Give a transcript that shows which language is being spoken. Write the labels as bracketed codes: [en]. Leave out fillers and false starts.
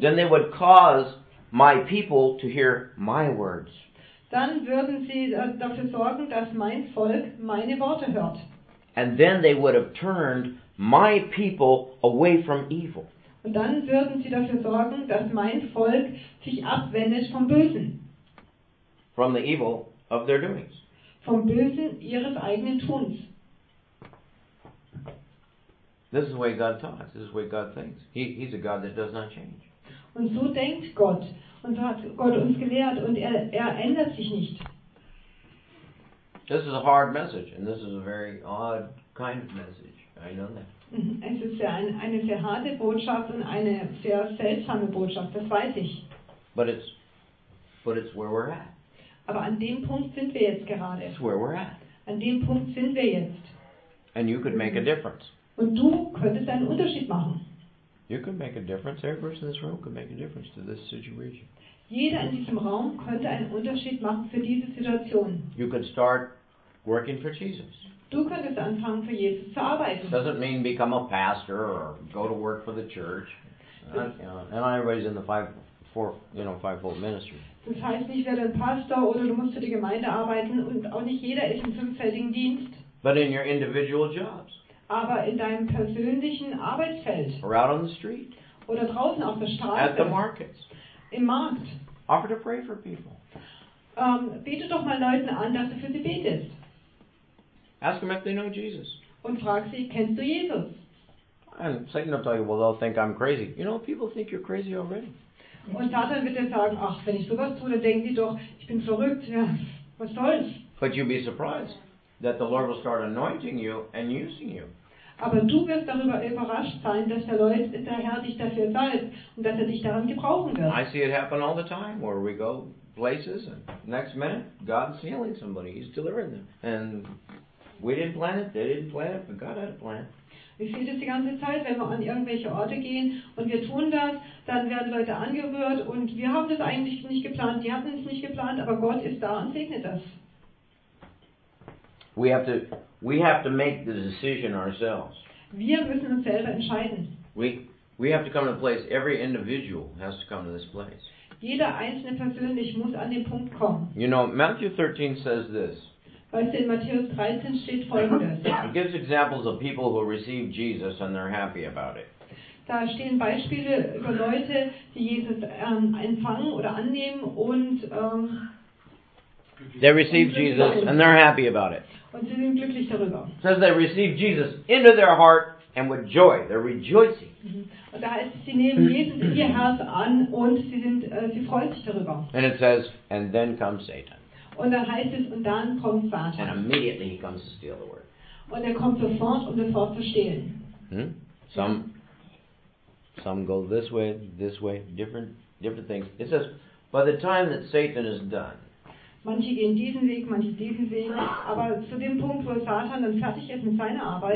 [en] then they would cause my people to hear my words. [de] Dann würden sie dafür sorgen, dass mein Volk meine Worte hört. [en] And then they would have turned my people away from evil. [de] Und dann würden sie dafür sorgen, dass mein Volk sich abwendet vom Bösen. [en] From the evil of their doings. [de] Vom Bösen ihres eigenen Tuns. [en] This is the way God talks. This is the way God thinks. He's a God that does not change. [de] Und so denkt Gott. Und so hat Gott uns gelehrt. Und er ändert sich nicht. [en] This is a hard message. And this is a very odd kind of message. I know that. [de] Es ist ja eine sehr harte Botschaft und eine sehr seltsame Botschaft, das weiß ich. [en] But it's where we're at. [de] Aber an dem Punkt sind wir jetzt gerade. [en] It's where we're at. [de] An dem Punkt sind wir jetzt. [en] And you could make a difference. [de] Und du könntest einen Unterschied machen. [en] You could make a difference. Every person in this room could make a difference to this situation. [de] Jeder in diesem Raum könnte einen Unterschied machen für diese Situation. [en] You could start working for Jesus. [de] Du könntest anfangen, für Jesus zu arbeiten. [en] It doesn't mean become a pastor or go to work for the church. And not everybody's in the fivefold ministry. [de] Das heißt nicht, werde ein Pastor oder du musst für die Gemeinde arbeiten und auch nicht jeder ist im fünffältigen Dienst. [en] But in your individual jobs. [de] Aber in deinem persönlichen Arbeitsfeld. [en] Or out on the street. [de] Oder draußen auf der Straße. [en] At the markets. [de] Im Markt. [en] Offer to pray for people. [de] Bete doch mal Leuten an, dass du für sie betest. [en] Ask them if they know Jesus. [de] Und frag sie, kennst du Jesus? [en] And Satan will tell you, well, they'll think I'm crazy. You know, people think you're crazy already. [de] Und Satan wird dir sagen, ach, wenn ich sowas tue, dann denken die doch, ich bin verrückt. Ja, was soll's? [en] But you'll be surprised that the Lord will start anointing you and using you. [de] Aber du wirst darüber überrascht sein, dass der Herr dich dafür salbt und dass er dich daran gebrauchen wird. [en] I see it happen all the time, where we go places, and next minute, God's healing somebody. He's delivering them. And we didn't plan it, they didn't plan it, but God had a plan. [de] Ich sehe das die ganze Zeit, wenn wir an irgendwelche Orte gehen und wir tun das, dann werden Leute angerührt und wir haben das eigentlich nicht geplant, die hatten es nicht geplant, aber Gott ist da und segnet das. [en] We have to make the decision ourselves. [de] Wir müssen uns selber entscheiden. [en] We have to come to a place, every individual has to come to this place. [de] Jeder einzelne persönlich muss an den Punkt kommen. [en] You know, Matthew 13 says this. [de] Weißt du, in Matthäus 13 steht Folgendes. [en] It gives examples of people who receive Jesus and they're happy about it. [de] Da stehen Beispiele über Leute, die Jesus empfangen oder annehmen und [en] they receive Jesus and they're happy about it. [de] Und sie sind glücklich darüber. [en] It says they receive Jesus into their heart and with joy. They're rejoicing. [de] Und da heißt es, sie nehmen Jesus in ihr Herz an und sie freuen sich darüber. [en] And it says, and then comes Satan. [de] Und dann heißt es, und dann kommt Satan. [en] And immediately he comes to steal the word. [de] Und er kommt sofort, um das Wort zu stehlen. [en] Some go this way, different things. It says, by the time that Satan is done. [de] Manche gehen diesen Weg, manche diesen Weg. Aber zu dem Punkt, wo Satan dann fertig ist mit seiner Arbeit.